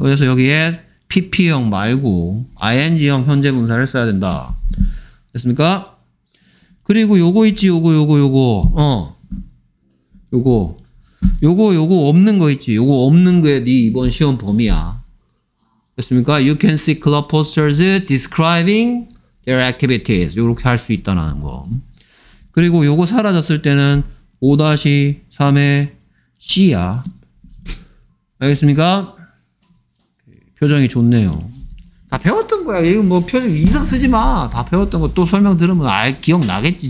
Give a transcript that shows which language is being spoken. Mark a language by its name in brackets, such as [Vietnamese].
[Korean] 그래서 여기에 PP형 말고 ING형 현재분사를 써야 된다. 됐습니까? 그리고 요거 있지. 요거. 어. 요거 없는 거 있지. 요거 없는 게 네 이번 시험 범위야. 됐습니까? [English] You can see club posters describing their activities. [Korean] 요렇게 할 수 있다는 거. 그리고 요거 사라졌을 때는 5-3의 C야. 알겠습니까? 표정이 좋네요. 다 배웠던 거야. 이거 뭐 표정 이상 쓰지 마. 다 배웠던 거 또 설명 들으면 알 기억 나겠지.